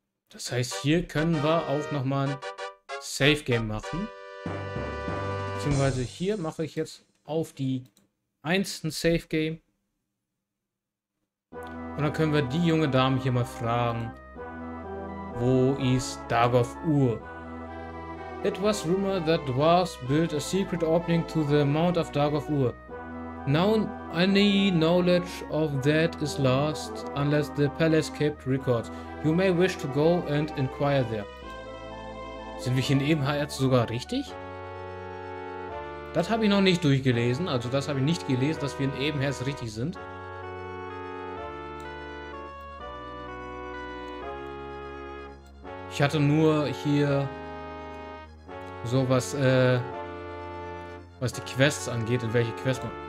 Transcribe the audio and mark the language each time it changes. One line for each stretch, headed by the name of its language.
German: Das heißt, hier können wir auch nochmal ein Save-Game machen. Beziehungsweise hier mache ich jetzt auf die 1 ein Save-Game. Und dann können wir die junge Dame hier mal fragen, wo ist Dagoth Ur?
English: It was rumored that dwarves built a secret opening to the Mount of Dagoth Ur. Now any knowledge of that is lost unless the palace kept records. You may wish to go and inquire there.
German: Sind wir hier in Ebenherz sogar richtig? Das habe ich noch nicht durchgelesen, also das habe ich nicht gelesen, dass wir in Ebenherz richtig sind. Ich hatte nur hier... So, was die Quests angeht, in welche Quest man...